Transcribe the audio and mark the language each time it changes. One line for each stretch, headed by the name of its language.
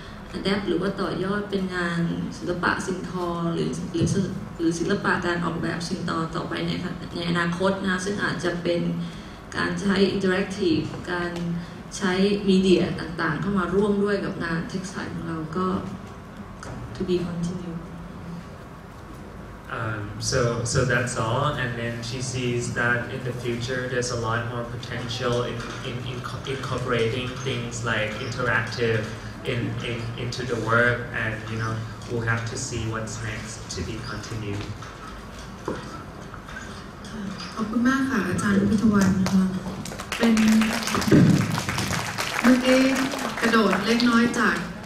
Thai: อะแดปหรือว่าต่อยอดเป็นงานศิลปะสิ่งทอหรือศิลปะการออกแบบสิ่งทอต่อไปในอนาคตนะซึ่งอาจจะเป็นการใช้อินเทอร์แอคทีฟการใช้มีเดียต่างๆเข้ามาร่วมด้วยกับงานเท็กซ์ไซด์ของเราก็
English: to be continued So that's all, and then she sees that in the future there's a lot more potential in incorporating things like interactive into the work, and you know we'll have to see what's next to be continued.
Thai: ขอบคุณมากค่ะอาจารย์วิทวันค่ะเป็นเมื่อกี้กระโดดเล็กน้อยจาก